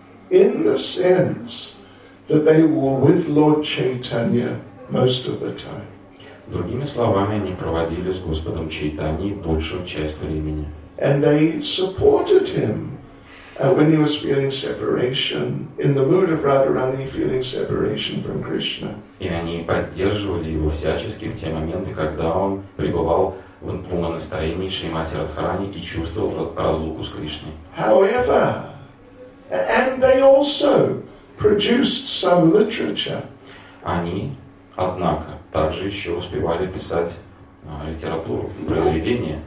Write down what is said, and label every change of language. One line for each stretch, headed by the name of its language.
English: In the sense that they were with Lord Chaitanya most of the time.
Russian: Другими словами, они проводили с Господом Чайтаньей большую часть времени.
English: And they supported him when he was feeling separation, in the mood of Radharani feeling separation from Krishna.
Russian: И они поддерживали его всячески в те моменты, когда он пребывал в умонастроении Шримати Радхарани и чувствовал разлуку с Кришной.
English: However, and they also produced some literature.
Russian: Они, однако, также еще успевали писать литературу, произведения.